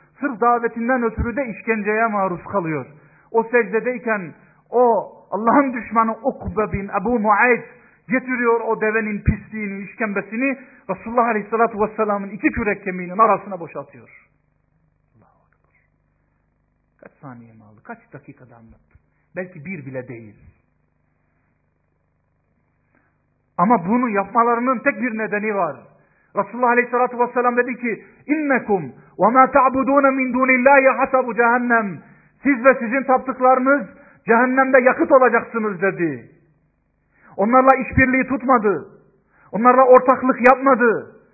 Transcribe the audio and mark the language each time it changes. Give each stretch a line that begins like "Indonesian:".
Turkish: Sırf davetinden ötürü de işkenceye maruz kalıyor. O secdedeyken o Allah'ın düşmanı Ukbe bin Ebu Muayt getiriyor o devenin pisliğini, işkembesini Resulullah Aleyhisselatü Vesselam'ın iki kürek kemiğinin arasına boşaltıyor. Allah'a bakıyor. Kaç saniye mi aldı? Kaç dakikada anlattı? Belki bir bile değil. Ama bunu yapmalarının tek bir nedeni var. Resulullah Aleyhisselatü Vesselam dedi ki
Arabic: اِنَّكُمْ وَمَا تَعْبُدُونَ مِنْ دُونِ اللّٰهِ حَسَبُ جَهَنَّمْ.
Turkish: Siz ve sizin taptıklarınız cehennemde yakıt olacaksınız dedi. Onlarla işbirliği tutmadı. Onlarla ortaklık yapmadı.